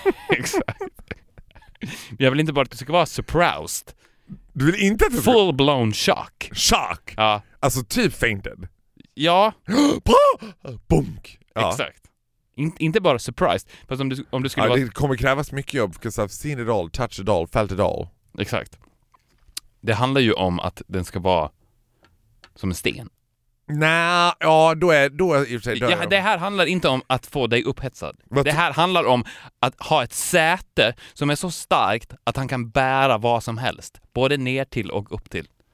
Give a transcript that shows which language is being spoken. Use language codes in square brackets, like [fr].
[sv] Exakt. Jag vill inte bara att du ska vara surprised. Du vill inte att du ska... [en] Full blown shock. Shock? [sv] Ja. Alltså typ fainted. Ja. Bunk. Ja. Exakt. Inte bara surprised. Fast om du skulle vara... Det kommer krävas mycket jobb. [en] Because I've seen it all, touched it all, felt it all. [sv] Exakt. Det handlar ju om att den ska vara som en sten. Nej, ja, då är det här handlar inte om att få dig upphetsad. What? Det här handlar om att ha ett säte som är så starkt att han kan bära vad som helst, både ner till och upp till.